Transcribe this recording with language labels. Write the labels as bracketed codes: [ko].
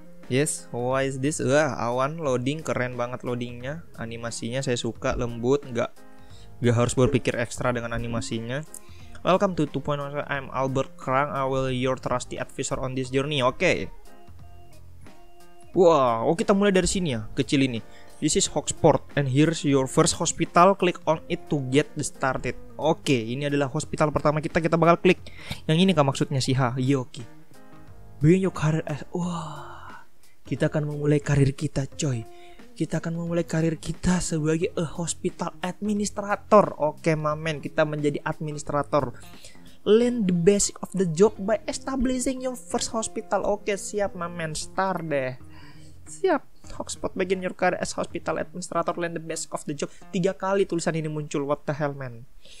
[en] Yes, why is this? [id] Wah, awan loading, keren banget loadingnya. Animasinya saya suka, lembut, enggak harus berpikir ekstra dengan animasinya. [en] Welcome to 2.0. I'm Albert Krang. I will your trusty advisor on this journey. Oke. Okay. [id] Wow, oh kita mulai dari sini ya, kecil ini. [en] This is Hogsport and here's your first hospital. Click on it to get started. [id] Oke, okay, ini adalah hospital pertama kita. Kita bakal klik. Yang ini kah maksudnya sih? Iya, oke. Okay. [en] Bring your career as [id] kita akan memulai karir kita, coy. Kita akan memulai karir kita sebagai [en] a hospital administrator. [id] Oke, okay, mamen, kita menjadi administrator. [en] Learn the basic of the job by establishing your first hospital. [id] Oke, okay, siap mamen, start deh. Siap. [en] Hogsport begin your career as hospital administrator. Learn the basic of the job. [id] 3 kali tulisan ini muncul. [en] What the hell, man?